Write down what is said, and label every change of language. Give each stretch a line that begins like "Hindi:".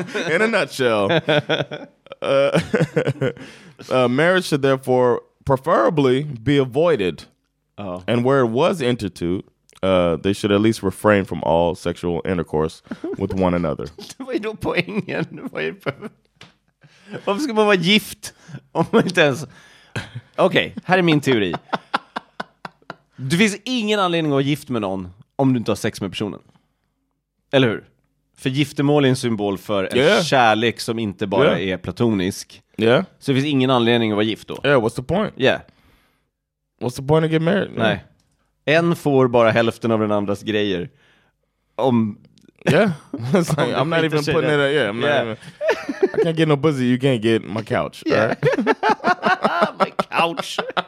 English: In a nutshell. marriage should therefore preferably be avoided. Oh. And where it was entered to, they should at least refrain from all sexual intercourse with one another.
Swedish: Vad är då poängen? Varför ska man vara gift om man inte ens... Okej, här är min teori. Du finns ingen anledning att vara gift med någon om du inte har sex med personen. Eller hur? För giftermål är en symbol för en kärlek som inte bara är platonisk.
English: Yeah.
Swedish: Så det finns ingen anledning att vara gift då.
English: Yeah, what's the point? Yeah. What's the point of getting married?
Swedish: Nej. En får bara hälften av den andras grejer. Om
English: I'm not even putting it. Yeah, I'm not even, I can't get no pussy. You can't get my couch. Yeah. Right? My couch.